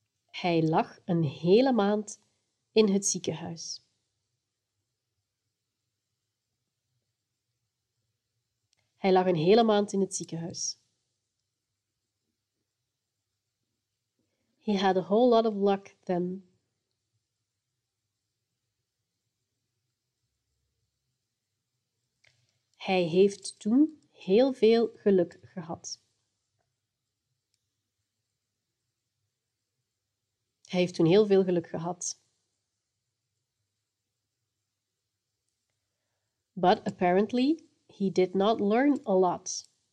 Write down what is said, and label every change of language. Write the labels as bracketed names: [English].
[Dutch] Hij lag een hele maand in het ziekenhuis. Hij lag een hele maand in het ziekenhuis. [English] He had a whole lot of luck then. [Dutch] Hij heeft toen heel veel geluk gehad. Hij heeft toen heel veel geluk gehad. [English] But apparently he did not learn a lot.